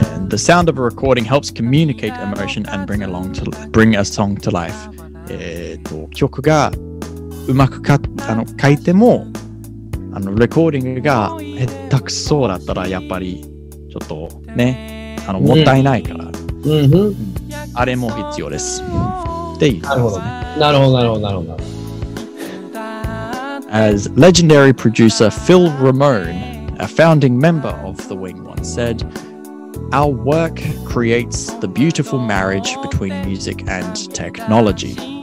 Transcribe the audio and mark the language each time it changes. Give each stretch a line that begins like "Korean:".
English: The sound of a recording helps communicate emotion and bring a song to life.
Japanese: 曲がうまく書いてもレコーディングが下手くそだったらやっぱりちょっとね、もったいないから、うんうん、あれも必要です、うん、っていう、なるほどね、なるほどなるほどなるほど。
English: As legendary producer Phil Ramone, a founding member of The Wing once said,Our work creates the beautiful marriage between music and technology.